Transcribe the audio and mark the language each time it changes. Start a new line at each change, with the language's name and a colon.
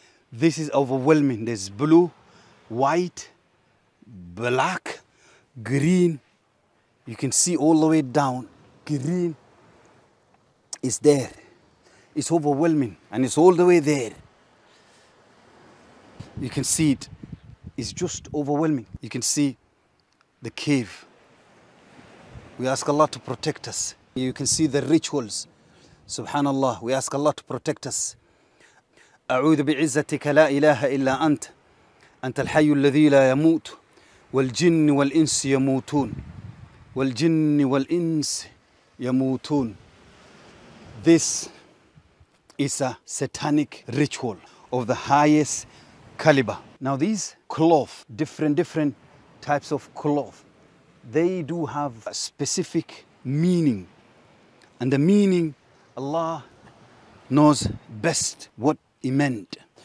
English: This is overwhelming. There's blue, white, black, green, you can see all the way down, green is there, it's overwhelming, and it's all the way there, you can see it, it's just overwhelming. You can see the cave. We ask Allah to protect us. You can see the rituals, subhanallah. We ask Allah to protect us.
Arabic: A'udhu bi'izzatika la ilaha illa ant. أنت الحي الذي لا يموت والجن والإنس يموتون والجن والإنس يموتون.
English: This is a satanic ritual of the highest caliber. Now these cloth, different types of cloth, they do have a specific meaning, and the meaning Allah knows best what he meant.